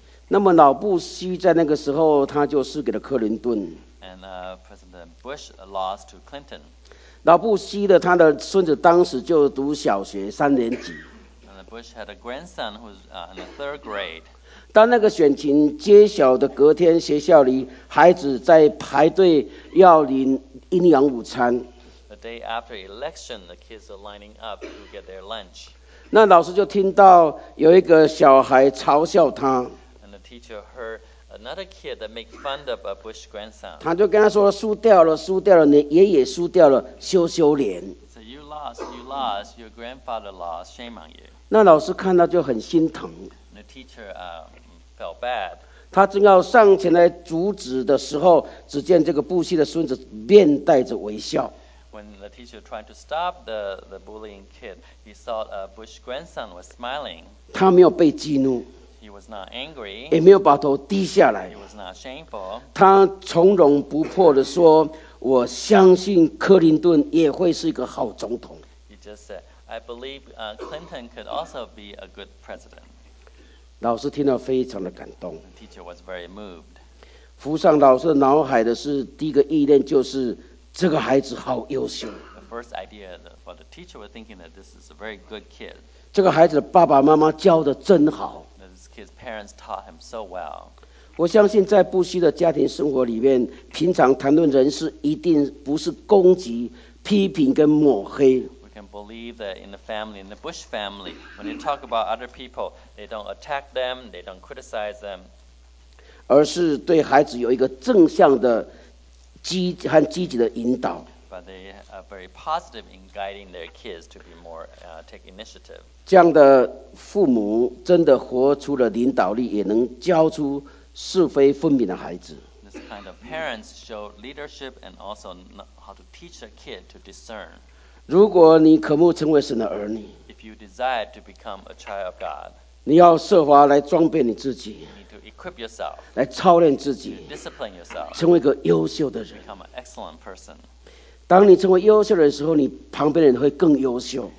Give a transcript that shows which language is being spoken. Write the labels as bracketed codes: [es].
[zh] 那么老布希在那个时候他就输给了克林顿 [en] and, President Bush lost to Clinton. [zh] 老布希的他的孙子当时就读小学三年级 [en] and Bush had a grandson who was, in the third grade. [zh] 当那个选情揭晓的隔天学校里孩子在排队要领营养午餐 [en] The day after election, the kids are lining up to get their lunch. [zh] 那老师就听到有一个小孩嘲笑他。 [en] And the teacher heard another kid that make fun of a Bush grandson. [zh] 他就跟他说输掉了，输掉了，你爷爷输掉了，羞羞脸。 [en] So you lost, you lost, your grandfather lost, shame on you. [zh] 那老师看到就很心疼。 [en] And the teacher felt bad. [zh] 他正要上前来阻止的时候，只见这个布希的孙子面带着微笑。 [en] When the teacher tried to stop the bullying kid, he saw a Bush grandson was smiling. [zh] 他没有被激怒。 [en] He was not angry. [zh] 也没有把头低下来。 [en] He was not shameful. [zh] 他从容不迫地说：“我相信克林顿也会是一个好总统。” [en] He just said, "I believe Clinton could also be a good president." [zh] 老师听到非常的感动。 [en] The teacher was very moved. [zh] 浮上老师脑海的是第一个意念就是这个孩子好优秀。 [en] The first idea for the teacher was thinking that this is a very good kid. [zh] 这个孩子的爸爸妈妈教的真好。 [en] This kid's parents taught him so well. [zh] 我相信在布希的家庭生活里面，平常谈论人事一定不是攻击、批评跟抹黑。 [en] And believe that in the family, in the Bush family, when they talk about other people, they don't attack them, they don't criticize them. [zh] 而是对孩子有一个正向的和积极的引导。 [en] But they are very positive in guiding their kids to be more take initiative. [zh] 这样的父母真的活出了领导力，也能教出是非分明的孩子。 [en] This kind of parents show leadership and also how to teach a kid to discern. [zh] 如果你渴慕成为神的儿女， [en] If you desire to become a child of God, [zh] 你要设法来装备你自己， [en] you need to equip yourself, [zh] 来操练自己， [en] to discipline yourself, [zh] 成为一个优秀的人， [en] become an excellent person. [zh] 当你成为优秀的时候，你旁边的人会更优秀。